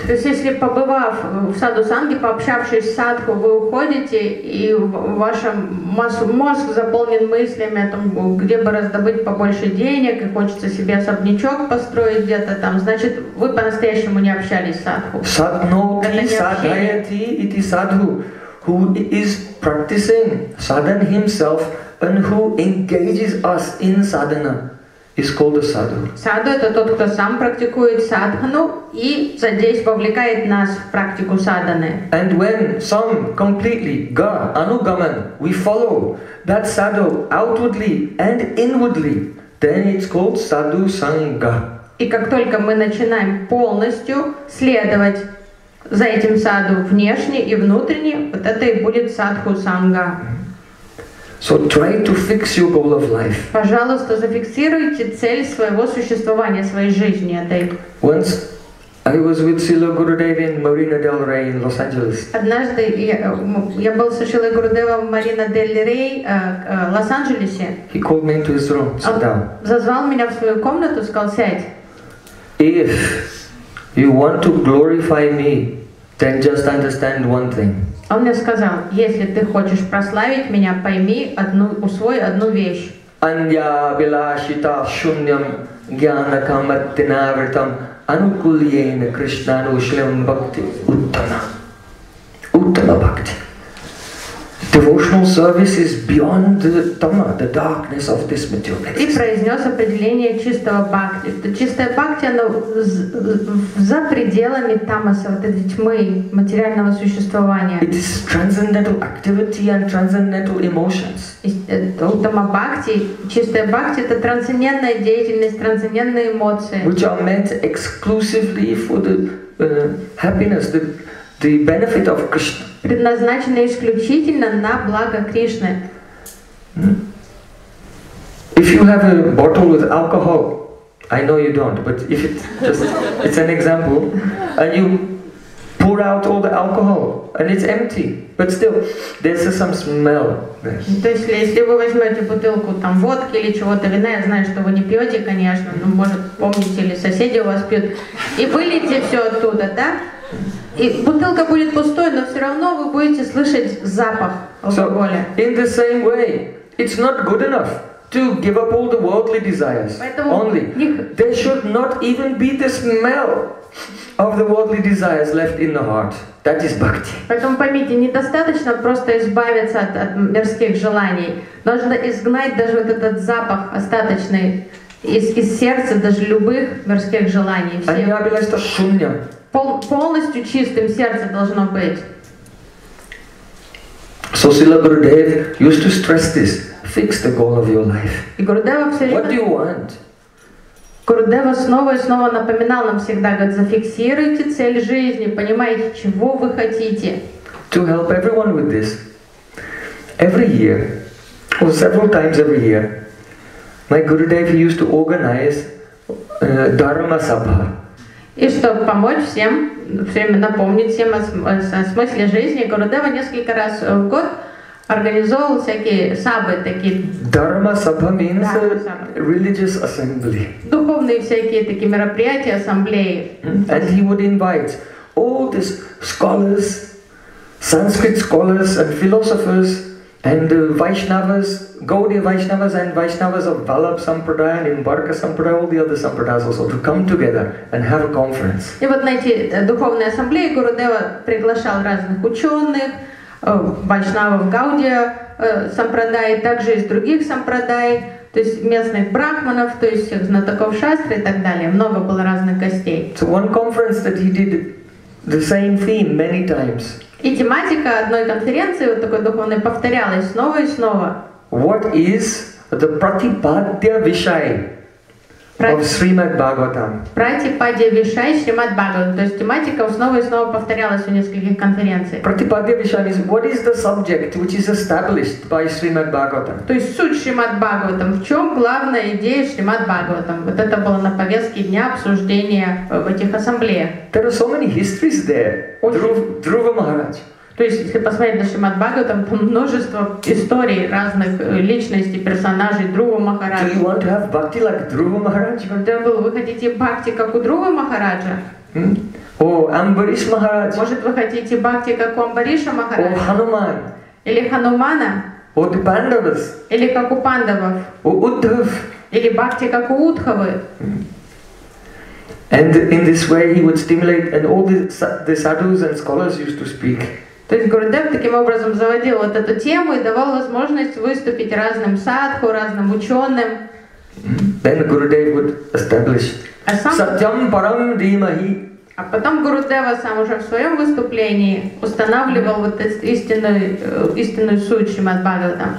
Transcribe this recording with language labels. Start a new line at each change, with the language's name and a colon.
Russian: То есть, если побывав в Садху Санге, пообщавшись с Садху, вы уходите, и ваш мозг заполнен мыслями о том, где бы раздобыть побольше денег, и хочется себе особнячок построить где-то там, значит, вы по-настоящему не общались с Садху.
Sanskrit: Садноти, садхайати, ити садху,
English: who is practicing sadhan himself and who engages us in sadhana. Is called a sadhu.
Russian: Sadhu это тот, кто сам практикует садхану и здесь вовлекает нас в практику садханы.
English: And when some completely ga anugaman we follow that sadhu outwardly and inwardly, then it's called sadhu sangha.
Russian: И как только мы начинаем полностью следовать за этим садху внешне и внутренне, вот это и будет садху санга.
English: So try to fix your goal of life.
Russian: Пожалуйста, зафиксируйте цель своего существования, своей жизни, этой.
English: Once I was with Srila Gurudev in Marina del Rey in Los Angeles.
Russian: Однажды я был со Шрилой Гурудевом в Марина дель Рей, Лос-Анджелесе.
English: He called me into his room. Sit down.
Russian: Зазвал меня в свою комнату, сказал сядь.
English: If you want to glorify me, then just understand one thing.
Russian: Он мне сказал, если ты хочешь прославить меня, пойми одну, усвой одну вещь.
Sanskrit: Анья билашита шуньям гьянакам аттинавритам анукульена кришнанушлям бхакти уттана. Уттана бхакти.
English: Devotional service is beyond the tama, the darkness of this material existence.
Russian: И произнес определение чистого бхакти. Чистая бхакти, она за пределами тамаса, вот этой тьмы материального существования.
English: It is transcendental activity and transcendental emotions.
Russian: Тама бхакти, чистая бхакти, это трансцендентная деятельность, трансцендентные эмоции.
English: Which are meant exclusively for the happiness, the benefit of Krishna.
Russian: Предназначены исключительно на благо Кришны.
English: If you have a bottle with alcohol, I know you don't, but if it just it's an example, and you pour out all the alcohol and it's empty, but still there's some smell there.
Russian: То есть, если вы возьмете бутылку там водки или чего-то вина, я знаю, что вы не пьете, конечно, но может помните или соседи у вас пьют, и вылейте все оттуда, да? И бутылка будет пустой, но все равно вы будете слышать запах алкоголя.
English: So, in the same way, it's not good enough to give up all the worldly desires.
Russian: Поэтому
English: only there should not even be the smell of the worldly desires left in the heart. That is bhakti.
Russian: Поэтому поймите, недостаточно просто избавиться от мирских желаний. Нужно изгнать даже вот этот запах остаточный из сердца, даже любых мирских желаний. Аня была что шумня. Полностью чистым сердце должно быть.
English: So Srila Gurudev used to stress this. Fix the goal of your life. What do you want?
Russian: Gurudev снова и снова напоминал нам всегда, говорит, зафиксируйте цель жизни, понимаете, чего вы хотите.
English: To help everyone with this, every year, or several times every year, my Gurudev used to organize Dharma Sabha.
Russian: И чтобы помочь всем, все время напомнить всем о смысле жизни, Гурудева несколько раз в год организовывал всякие сабы такие.
English: Дарма сабха means да, religious assembly.
Russian: Духовные всякие такие мероприятия, ассамблеи.
English: And he would invite all these scholars, Sanskrit scholars and philosophers and Vaishnavas, Gaudiya Vaishnavas and Vaishnavas of Vallabh Sampradaya and Imbarka Sampradaya, all the other Sampradayas also, to come together and have a conference.
Russian: И вот на эти духовные ассамблеи Гурудева приглашал разных ученых, Вайшнавов Гаудия Сампрадай, также из других Сампрадай, то есть местных брахманов, то есть всех знатоков шастры и так далее. Много было разных гостей.
English: So one conference that he did the same theme many times.
Russian: И тематика одной конференции, вот такой духовной, повторялась снова и снова.
English: What is the Pratipadya Vishay of Srimad Bhagavatam? Pratipadya Vishay Srimad Bhagavatam.
Russian: То есть тематика снова и снова повторялась в нескольких конференциях.
English: Pratipadya Vishay means what is the subject which is established by Srimad Bhagavatam?
Russian: То есть суть Srimad Bhagavatam. В чем главная идея Srimad Bhagavatam? Вот это было на повестке дня обсуждения в этих ассамблеях.
English: There are so many histories there. Dhruva Maharaj.
Russian: То есть, если посмотреть на Шримад Бхагаватам, там множество историй разных личностей, персонажей Друва Махараджа.
English: Do you want to have bhakti like Druva Maharaja?
Russian: Вы хотите бхакти, как у Друва Махараджа?
English: О, Амбариш Махарадж.
Russian: Может, вы хотите бхакти, как у Амбариша Махараджа?
English: О, Хануман.
Russian: Или Ханумана.
English: О, the Pandavas.
Russian: Или как у Пандавов.
English: О, Уддхав.
Russian: Или бхакти, как у Уддхавы.
English: And in this way he would stimulate, and all the sadhus and scholars used to speak.
Russian: То есть Гурудев таким образом заводил вот эту тему и давал возможность выступить разным садху, разным ученым.
English: Then Gurudev would establish
Sanskrit: Satyam Param Dhimahi.
Russian: А потом Гурудева сам уже в своем выступлении устанавливал вот истинную суть Шримад Бхагаватам.